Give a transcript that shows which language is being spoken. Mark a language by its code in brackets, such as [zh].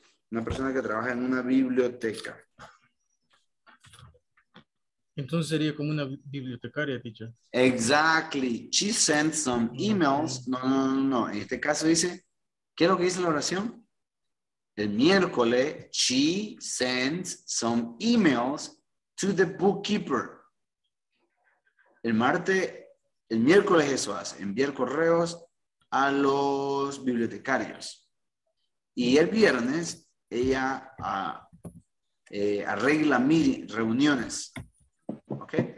[es] Una persona que trabaja en una biblioteca. Entonces sería como una bibliotecaria, teacher. [en] Exactly. She sent some emails. No. [es] En este caso dice, ¿qué es lo que dice la oración? El miércoles, [en] she sends some emails to the bookkeeper. [es] El martes, el miércoles eso hace, enviar correos a los bibliotecarios. Y el viernes, ella arregla mil reuniones. ¿Ok?